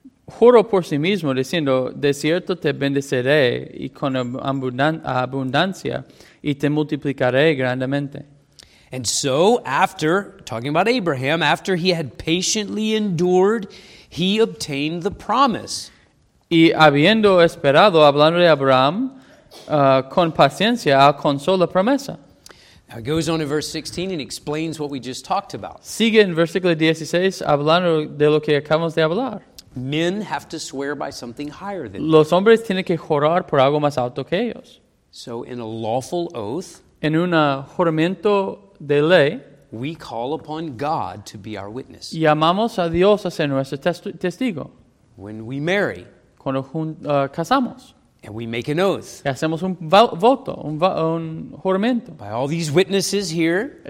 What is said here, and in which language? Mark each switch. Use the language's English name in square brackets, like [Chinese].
[Spanish] Juro por sí mismo, diciendo, de cierto te bendeceré, y con abundancia, y te multiplicaré grandemente. [English] And so, after, talking about Abraham, after he had patiently endured, he obtained the promise. [Spanish] Y habiendo esperado, hablando de Abraham, con paciencia, alcanzó la promesa. [English] Now, it goes on in verse 16 and explains what we just talked about. [Spanish] Sigue en versículo 16, hablando de lo que acabamos de hablar. [English] Men have to swear by something higher than [Spanish] Los hombres tienen que jurar por algo más alto que ellos. [English] So, in a lawful oath, [Spanish] en un juramento de ley, [English] we call upon God to be our witness. [Spanish] Llamamos a Dios a ser nuestro testigo. [English] When we marry, [Spanish] cuando casamos, [English] and we make an oath, [Spanish] y hacemos un voto, un juramento. [English] By all these witnesses here,